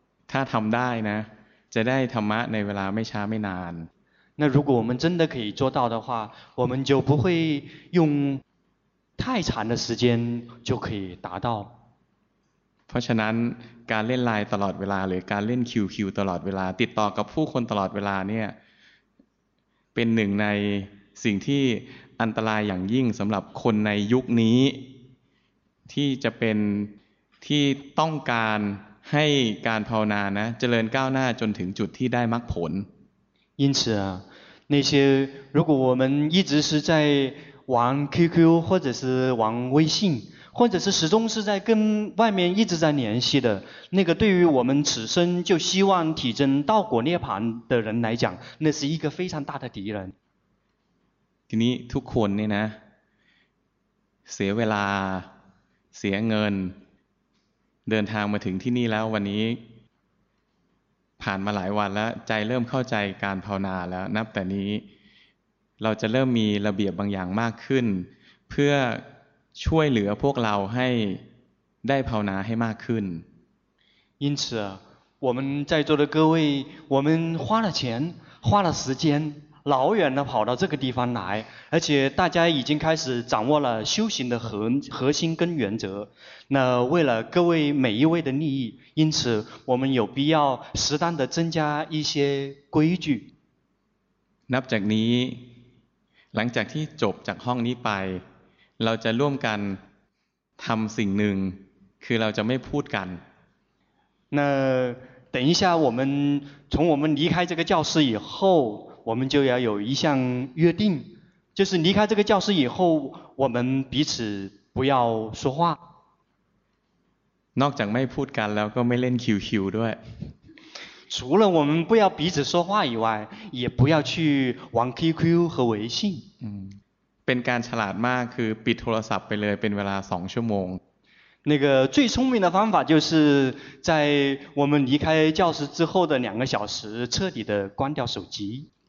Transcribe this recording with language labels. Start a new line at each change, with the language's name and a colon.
Thai: ถ้าทำได้นะจะได้ธรรมะในเวลาไม่ช้าไม่นาน
Chinese: 那如果我们真的可以做到的话我们就不会用太长的时间就可以达到
Thai: เพราะฉะนั้นการเล่นไลน์ตลอดเวลาหรือการเล่น QQ ตลอดเวลาติดต่อกับผู้คนตลอดเวลาเนี่ยเป็นหนึ่งในสิ่งที่อันตรายอย่างยิ่งสำหรับคนในยุคนี้ที่จะเป็นที่ต้องการให้การภาวนานะเจริญก้าวหน้าจนถึงจุดที่ได้มรรคผล
Chinese: 因此啊那些如果我们一直是在玩 QQ 或者是玩微信或者是始终是在跟外面一直在联系的那个对于我们此生就希望体证道果涅槃的人来讲那是一个非常大的敌人
Thai: ทีนี้ทุกคนเนี่ยนะเสียเวลาเสียเงินเดินทางมาถึงที่นี่แล้ววันนี้ผ่านมาหลายวันแล้วใจเริ่มเข้าใจการภาวนาแล้วนับแต่นี้เราจะเริ่มมีระเบียบบางอย่างมากขึ้นเพื่อช่วยเหลือพวกเราให้ได้ภาวนาให้มากขึ้น
Chinese: 因此我们在座的各位我们花了钱花了时间老远的跑到这个地方来而且大家已经开始掌握了修行的 核心跟原则那为了各位每一位的利益因此我们有必要适当的增加一些规矩
Thai: นับจากนี้หลังจากที่จบจากห้องนี้ไปเราจะร่วมกันทำสิ่งหนึ่งคือเราจะไม่พูดกัน
Chinese: 那等一下我们从我们离开这个教室以后我们就要有一项约定就是离开这个教室以后我们彼此不要说话
Thai: นอกจากไม่พูดกันแล้วก็ไม่เล่น QQ ด้วย
Chinese: 除了我们不要彼此说话以外也不要去玩 QQ 和微信
Thai: เป็นการฉลาดมากคือปิดโทรศัพท์ไปเลยเป็นเวลา2ชั่วโมง
Chinese: 那个最聪明的方法就是在我们离开教室之后的两个小时彻底的关掉手机